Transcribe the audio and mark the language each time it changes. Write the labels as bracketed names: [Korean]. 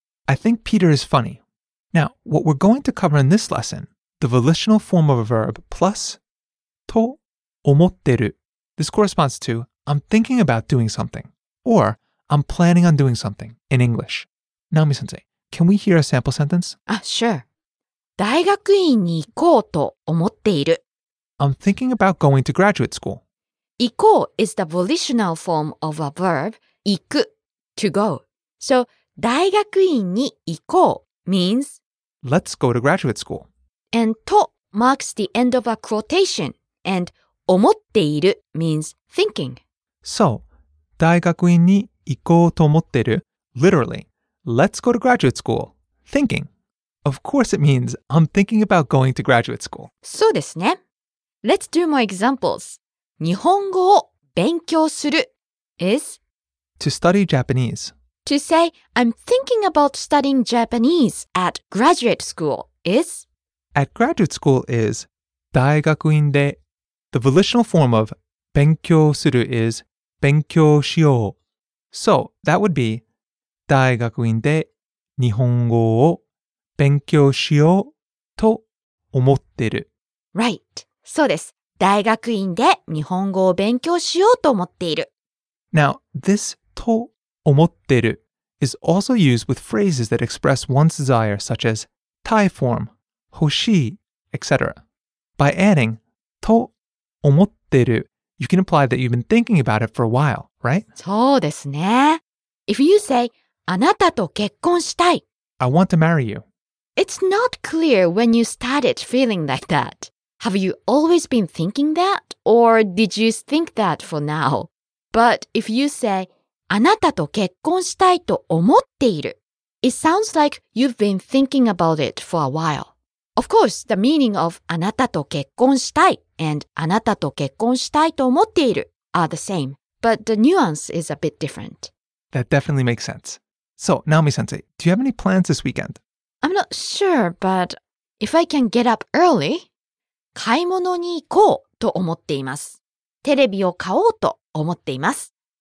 [English] I think Peter is funny. Now, what we're going to cover in this lesson, the volitional form of a verb plus と思ってる. This corresponds to, I'm thinking about doing something, or I'm planning on doing something, in English. Naomi-sensei, can we hear a sample sentence? Sure. [Japanese] 大学院に行こうと思っている. [English] I'm thinking about going to graduate school. 行こう is the volitional form of a verb, 行く, to go. So, [Japanese] 大学院に行こう [English] means, Let's go to graduate school. And と marks the end of a quotation, and 思っている means thinking. So, [Japanese] 大学院に行こうと思ってる [English] literally, let's go to graduate school, thinking. Of course it means I'm thinking about going to graduate school. [Japanese] そうですね。 [English] Let's do more examples. [Japanese] 日本語を勉強する is [English] To study Japanese. To say I'm thinking about studying Japanese at graduate school is At graduate school is 大学院でThe volitional form of 勉強する is 勉強しよう. So, that would be [Japanese] 大学院で日本語を勉強しようと思ってる. [English] Right. [Japanese] そうです。大学院で日本語を勉強しようと思っている. [English] Now, this と思ってる is also used with phrases that express one's desire, such as 体 form, 欲しい, etc. By adding と思ってる, you can imply that you've been thinking about it for a while, right? [Japanese] そうですね。 [English] If you say, [Japanese] あなたと結婚したい。 [English] I want to marry you. It's not clear when you started feeling like that. Have you always been thinking that? Or did you think that for now? But if you say, [Japanese] あなたと結婚したいと思っている, [English] it sounds like you've been thinking about it for a while. Of course, the meaning of [Japanese] あなたと結婚したい [English] and [Japanese] あなたと結婚したいと思っている [English] are the same, but the nuance is a bit different. That definitely makes sense. So, Naomi-sensei, do you have any plans this weekend? I'm not sure, but if I can get up early, [Japanese] 買い物に行こうと思っています。テレビを買おうと思っています。